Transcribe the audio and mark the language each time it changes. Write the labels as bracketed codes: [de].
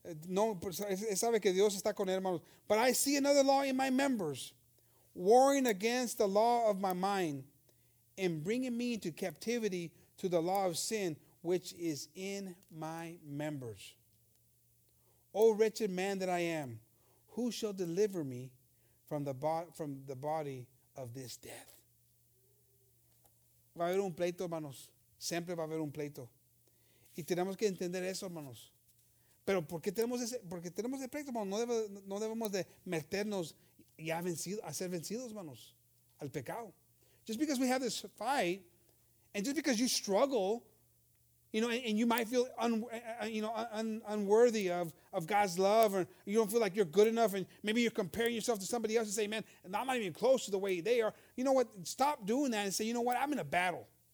[es] No, sabe que Dios está con él, hermanos. [en] But I see another law in my members, warring against the law of my mind and bringing me into captivity to the law of sin, which is in my members. O wretched man that I am, who shall deliver me from the body of this death? [es] Va a haber un pleito, hermanos. Siempre va a haber un pleito. Y tenemos que entender eso, hermanos. Pero ¿por qué tenemos ese? Porque tenemos el pleito, hermanos. No debemos de meternos y ser vencidos, hermanos, al pecado. [en] Just because we have this fight, and just because you struggle, you know, and you might feel unworthy of God's love, or you don't feel like you're good enough, and maybe you're comparing yourself to somebody else and say, man, I'm not even close to the way they are. You know what? Stop doing that and say, you know what? I'm in a battle.